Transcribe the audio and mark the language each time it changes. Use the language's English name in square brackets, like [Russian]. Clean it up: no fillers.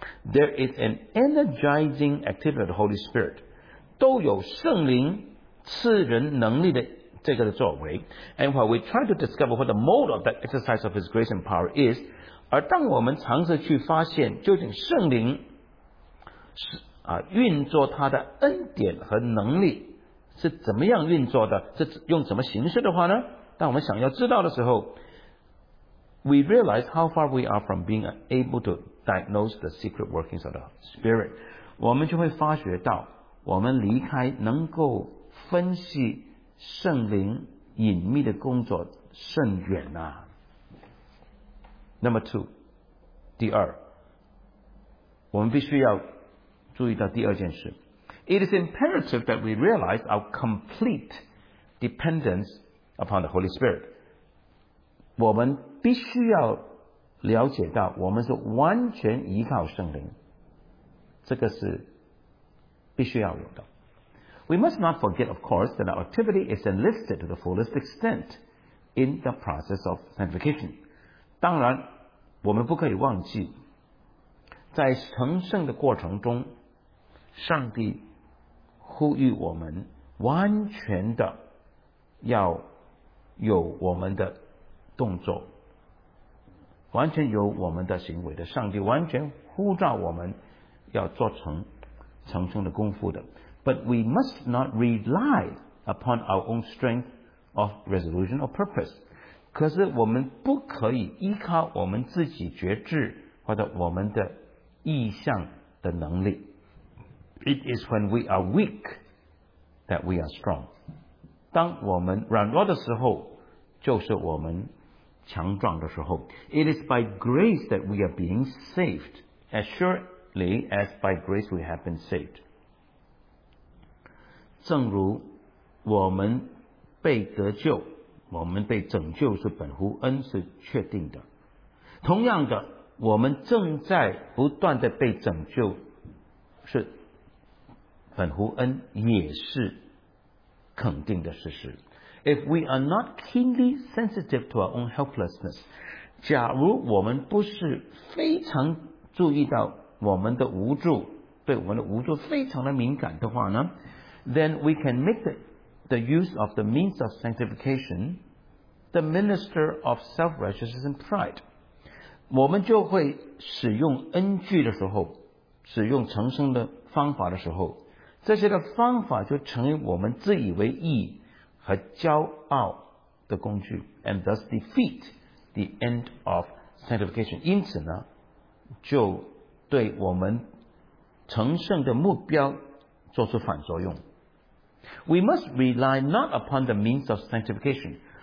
[English] There is an energizing activity of the Holy Spirit, [Chinese] 都有圣灵赐人能力的这个的作为。 [English] And while we try to discover what the mode of that exercise of His grace and power is, [Chinese] 而当我们尝试去发现究竟圣灵是运作他的恩典和能力是怎么样运作的，是用什么形式的话呢，当我们想要知道的时候， [English] We realize how far we are from being able to diagnose the secret workings of the Spirit. [Chinese] 我们就会发觉到我们离开能够分析圣灵隐秘的工作甚远啊。 [English] Number two, [Chinese] 第二，我们必须要注意到第二件事。 [English] It is imperative that we realize our complete dependence upon the Holy Spirit. [Chinese] 我们必须要了解到我们是完全依靠圣灵，这个是必须要有的。 [English] We must not forget, of course, that our activity is enlisted to the fullest extent in the process of sanctification. [Chinese] 当然，我们不可以忘记，在成圣的过程中，上帝呼吁我们完全的要有我们的动作，完全有我们的行为的。上帝完全呼召我们要做成圣的功夫的。 [English] But we must not rely upon our own strength of resolution or purpose. [Chinese] 可是我们不可以依靠我们自己觉知或者我们的意向的能力。 [English] It is when we are weak that we are strong. [Chinese] 当我们软弱的时候，就是我们强壮的时候。 [English] It is by grace that we are being saved, as surely as by grace we have been saved. [Chinese] 正如我们被得救，我们被拯救是本乎恩，是确定的。同样的，我们正在不断的被拯救，是本乎恩，也是肯定的事实。 [English] If we are not keenly sensitive to our own helplessness, [Chinese] 假如我们不是非常注意到我们的无助，对我们的无助非常的敏感的话呢？ [English] Then we can make the use of the means of sanctification the minister of self-righteousness and pride. [Chinese] 我们就会使用恩具的时候，使用重生的方法的时候，这些的方法就成为我们自以为义和骄傲的工具， [English] and thus defeat the end of sanctification. [Chinese] 因此呢，就对我们成圣的目标做出反作用。 [English] We must rely not upon the means of sanctification.